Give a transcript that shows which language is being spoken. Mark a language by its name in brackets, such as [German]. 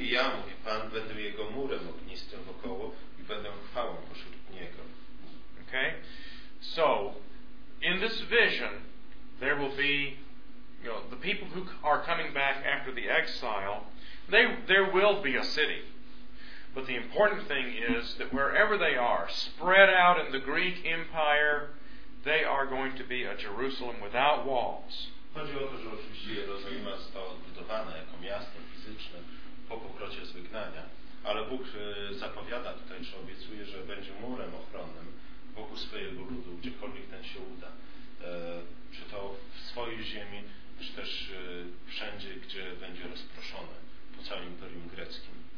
[Polish] I ja mówię, Pan będę jego murem ognistym wokoło i będę chwałą pośród niego. [English] Okay? So, in this vision, there will be, you know, the people who are coming back after the exile, there will be a city. But the important thing is that wherever they are, spread out in the Greek Empire, they are going to be a Jerusalem without walls. [Polish] Chodzi o to, że oczywiście Jerozolima została odbudowana jako miasto fizyczne po powrocie z wygnania, ale Bóg zapowiada tutaj, czy obiecuje, że będzie murem ochronnym wokół swojego ludu, gdziekolwiek ten się uda. Czy to w swojej ziemi, czy też wszędzie, gdzie będzie rozproszone po całym Imperium Greckim.